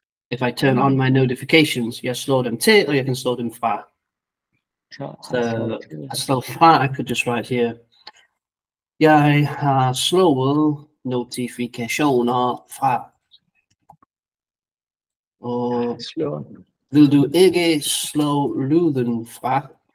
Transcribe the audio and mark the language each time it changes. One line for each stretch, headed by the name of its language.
English: If I turn on my notifications,
Danish: jeg slår dem til, or jeg kan slå dem fra.
English: So, slå fra, I could just write here.
Danish: Jeg har slået notifikationer fra. Og vil du ikke slå lyden fra?